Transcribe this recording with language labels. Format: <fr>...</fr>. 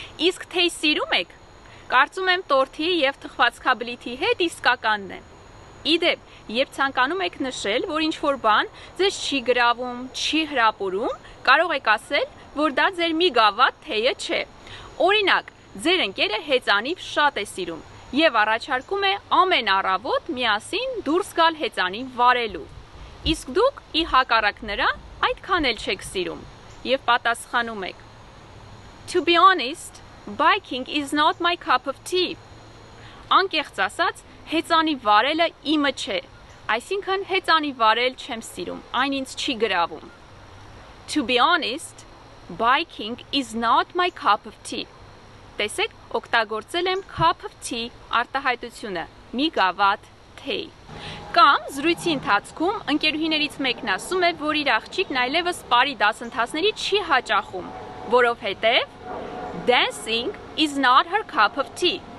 <hy>Իսկ թե սիրում եք? Կարծում եմ տորթի և թխվածքաբլիթի հետ իսկականն է։ Իդեպ, երբ ցանկանում եք նշել, որ ինչ-որ բան ձեզ չի գրավում, չի հրապուրում, կարող եք ասել, որ դա ձեր մի գավաթ թեյը չէ։ Օրինակ, ձեր ընկերը հեծանիվ շատ է սիրում և առաջարկում է ամեն առավոտ միասին դուրս գալ հեծանիվ վարելու։ Իսկ դուք, ի հակառակ նրա, այդքան էլ չեք սիրում և պատասխանում եք.</hy> <en>To be honest, biking is not my cup of tea.</en> <hy>Անկեղծ ասած, հեծանի վարելը իմը չէ, այսինքն հեծանի վարել չեմ սիրում, այն ինձ չի գրավում.</hy> <en>To be honest, biking is not my cup of tea.</en> <hy>Տեսեք, օգտագործել եմ</hy> <en>cup of tea</en> <hy>արտահայտությունը, մի գավաթ թեյ. Կամ զրույցի ընթացքում ընկերուհիներից մեկն ասում է, որ իր աղջիկն այլևս պարի դասընթացների չի հաճախում, որովհետև</hy> <en>dancing is not her cup of tea.</en>